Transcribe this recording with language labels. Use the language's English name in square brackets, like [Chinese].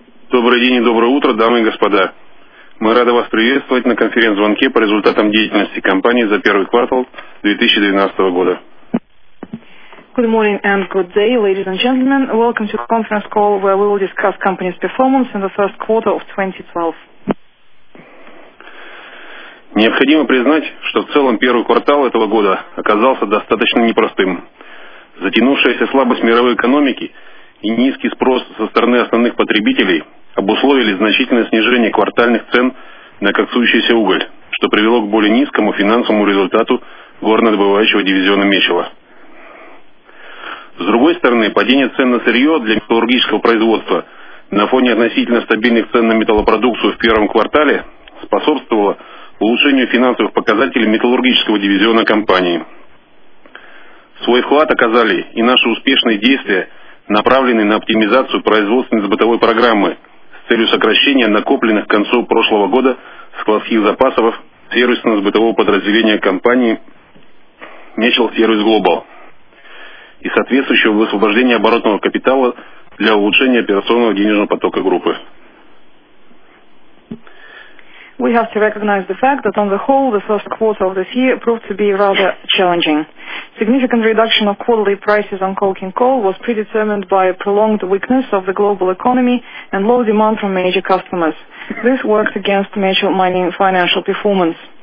[Russian] Добрый день и доброе утро, дамы и господа. Мы рады вас приветствовать на конференц-звонке по результатам деятельности компании за первый квартал 2012 года. [English] Good morning and good day, ladies and gentlemen. Welcome to a conference call where we will discuss company's performance in the first quarter of 2012. [Russian] Необходимо признать, что в целом первый квартал этого года оказался достаточно непростым. Затянувшаяся слабость мировой экономики и низкий спрос со стороны основных потребителей обусловили значительное снижение квартальных цен на коксующийся уголь, что привело к более низкому финансовому результату горнодобывающего дивизиона Мичела. С другой стороны, падение цен на сырье для металлургического производства на фоне относительно стабильных цен на металлопродукцию в первом квартале способствовало улучшению финансовых показателей металлургического дивизиона компании. Свой вклад оказали и наши успешные действия, направленные на оптимизацию производственно-сбытовой программы с целью сокращения накопленных к концу прошлого года складских запасов сервисно-сбытового подразделения компании Mitchell Service Global и соответствующего высвобождения оборотного капитала для улучшения операционного денежного потока группы. [English] We have to recognize the fact that on the whole, the first quarter of this year proved to be rather challenging. Significant reduction of quarterly prices on coking coal was predetermined by a prolonged weakness of the global economy and low demand from major customers. This worked against Mitchell Mining financial performance.